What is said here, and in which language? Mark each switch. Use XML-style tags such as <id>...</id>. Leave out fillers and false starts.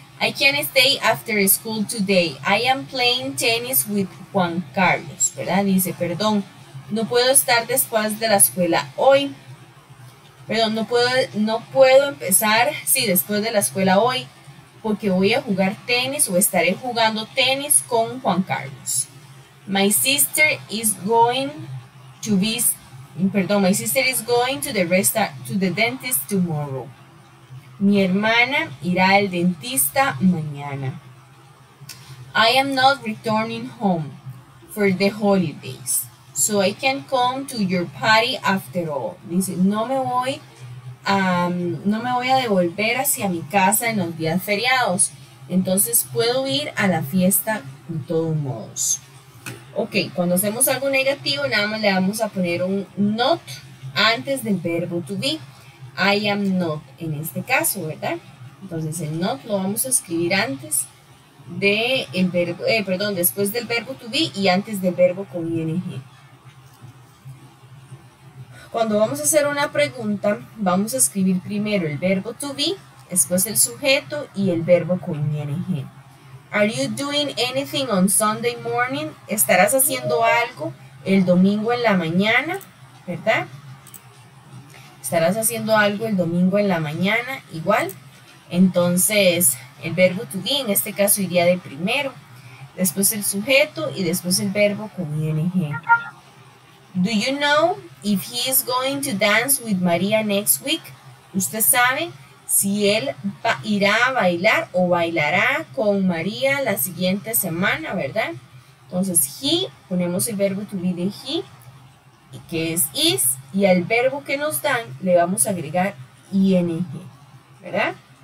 <en>I can't stay after school today. I am playing tennis with Juan Carlos,</en> <es>¿verdad? Dice, perdón, no puedo estar después de la escuela hoy. Perdón, después de la escuela hoy. Porque voy a jugar tenis o estaré jugando tenis con Juan Carlos.</es> <en>My sister is going to the dentist tomorrow.</en> <es>Mi hermana irá al dentista mañana.</es> <en>I am not returning home for the holidays, so I can come to your party after all.</en> <es>Dice, no me voy a devolver hacia mi casa en los días feriados. Entonces puedo ir a la fiesta de todos modos. Ok, cuando hacemos algo negativo, nada más le vamos a poner un not antes del verbo to be.</es> <en>I am not</en> <es>en este caso, ¿verdad? Entonces el not lo vamos a escribir antes del verbo, después del verbo to be y antes del verbo con ing. Cuando vamos a hacer una pregunta, vamos a escribir primero el verbo to be, después el sujeto y el verbo con ing.</es> <en>Are you doing anything on Sunday morning?</en> <es>¿Estarás haciendo algo el domingo en la mañana? ¿Verdad? ¿Estarás haciendo algo el domingo en la mañana? Igual. Entonces, el verbo to be en este caso iría de primero, después el sujeto y después el verbo con ing.</es> <en>Do you know if he is going to dance with Maria next week?</en> <es>¿Usted sabe si él irá a bailar o bailará con María la siguiente semana, verdad? Entonces, he, ponemos el verbo to be de he, que es is, y al verbo que nos dan le vamos a agregar ing, ¿verdad?</es>